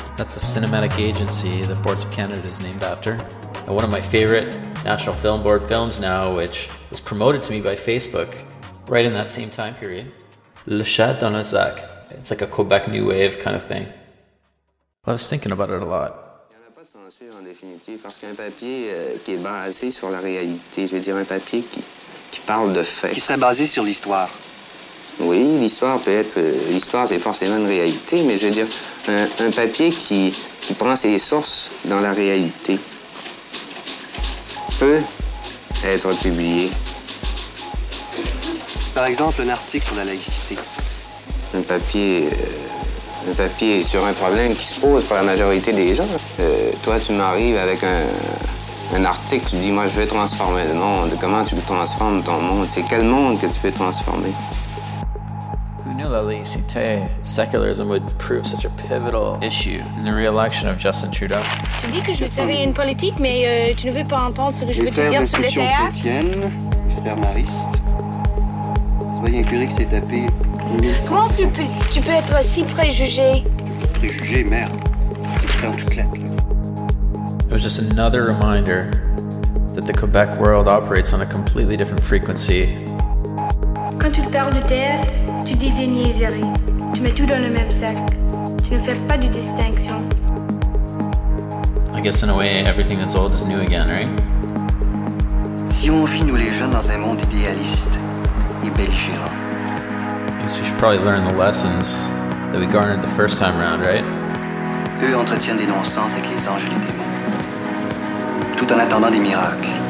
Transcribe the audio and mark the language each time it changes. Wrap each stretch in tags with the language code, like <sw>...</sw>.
<en>That's the cinematic agency that Boards of Canada is named after. And one of my favorite National Film Board films now, which was promoted to me by Facebook right in that same time period, Le Chat dans le Sac. It's like a Quebec New Wave kind of thing. Well, I was thinking about it a lot.</en> <fr>En définitive, parce qu'un papier qui est basé sur la réalité, je veux dire un papier qui parle de faits. Qui serait basé sur l'histoire. Oui, l'histoire peut être... L'histoire, c'est forcément une réalité, mais je veux dire, un papier qui prend ses sources dans la réalité peut être publié. Par exemple, un article sur la laïcité. Un papier sur un problème qui se pose pour la majorité des gens. Toi, tu m'arrives avec un article, tu dis, moi, je veux transformer le monde. Comment tu transformes ton monde? C'est quel monde que tu peux transformer?</fr> <en>Who knew la laïcité, secularism, would prove such a pivotal issue in the re-election of Justin Trudeau?</en> <fr>Tu dis que je veux faire une politique, mais tu ne veux pas entendre ce que je veux te dire sur les théâtres? Je vais faire des chrétiennes, fermariste. Tu vois, il y a un curé qui s'est tapé... Comment tu peux être si préjugé? Préjugé, merde. C'est écrit en toutes lettres.</fr> <en>It was just another reminder that the Quebec world operates on a completely different frequency.</en> <fr>Quand tu parles de théâtre, tu dis des niaiseries. Tu mets tout dans le même sac. Tu ne fais pas de distinction.</fr> <en>I guess in a way, everything that's old is new again, right?</en> <fr>Si on vit, nous les jeunes, dans un monde idéaliste et belligérant,</fr> <en>we should probably learn the lessons that we garnered the first time around, right?</en> <fr>Eux entretiennent des non-sens avec les anges et les démons, tout en attendant des miracles.</fr>